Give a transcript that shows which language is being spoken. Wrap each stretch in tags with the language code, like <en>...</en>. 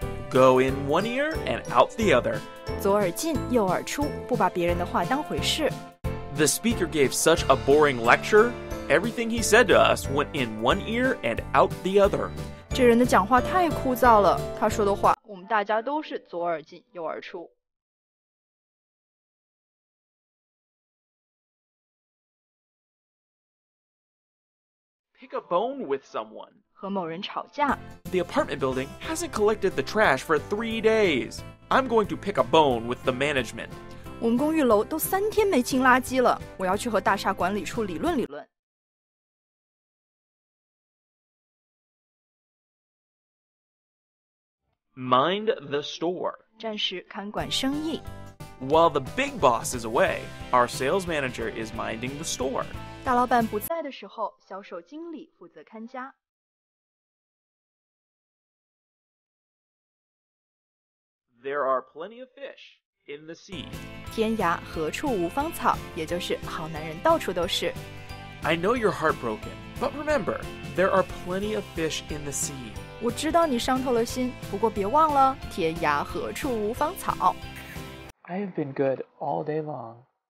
<en>Go in one ear and out the other.</en> <zh>左耳进右耳出，不把别人的话当回事。</zh> <en>The speaker gave such a boring lecture. Everything he said to us went in one ear and out the other.</en> <zh>这人的讲话太枯燥了，他说的话，我们大家都是左耳进右耳出。</zh> <en>Pick a bone with someone.</en> <zh>和某人吵架。</zh> <en>The apartment building hasn't collected the trash for 3 days. I'm going to pick a bone with the management.</en> <zh>我们公寓楼都三天没清垃圾了，我要去和大厦管理处理论理论。</zh> <en>Mind the store.</en> <zh>暂时看管生意。</zh> <en>While the big boss is away, our sales manager is minding the store.</en> <zh>大老板不在的时候，销售经理负责看家。</zh> <en>There are plenty of fish in the sea.</en> <zh>天涯何处无芳草，也就是好男人到处都是。</zh> <en>I know you're heartbroken, but remember, there are plenty of fish in the sea.</en> <zh>我知道你伤透了心，不过别忘了，天涯何处无芳草。</zh> <en>I have been good all day long.</en>